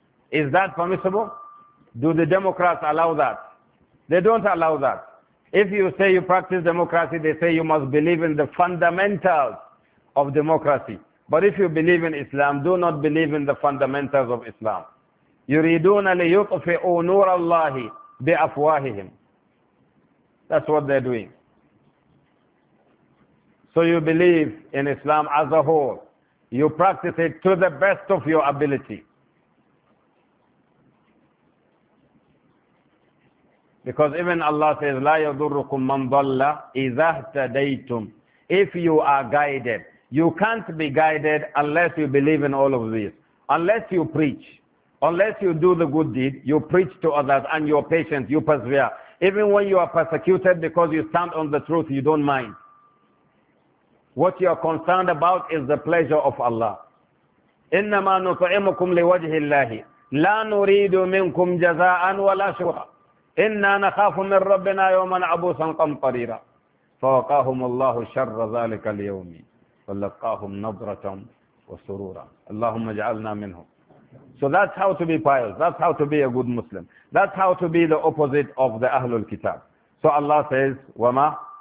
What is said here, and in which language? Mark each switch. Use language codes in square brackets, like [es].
[en] Is that permissible? Do the Democrats allow that? They don't allow that. If you say you practice democracy, they say you must believe in the fundamentals of democracy. But if you believe in Islam, do not believe in the fundamentals of Islam. [ar] يريدون ليطفئوا نور الله بأفواههم. [en] That's what they're doing. So you believe in Islam as a whole. You practice it to the best of your ability. Because even Allah says, [ar] لا يضركم من ضل إذا اهتديتم. [en] If you are guided, you can't be guided unless you believe in all of this. Unless you preach, unless you do the good deed, you preach to others and you're patient, you persevere. Even when you are persecuted because you stand on the truth, you don't mind. What you are concerned about is the pleasure of Allah. [ar] إنما نطعمكم لوجه الله لا نريد منكم جزاء ولا شكرا إنا نخاف من ربنا يوما عبوسا قمطريرا فوقاهم الله شر ذلك اليوم ولقاهم نظرة وسرورا اللهم اجعلنا منهم. [en] So that's how to be pious. That's how to be a good Muslim. That's how to be the opposite of the Ahlul Kitab. So Allah says, وما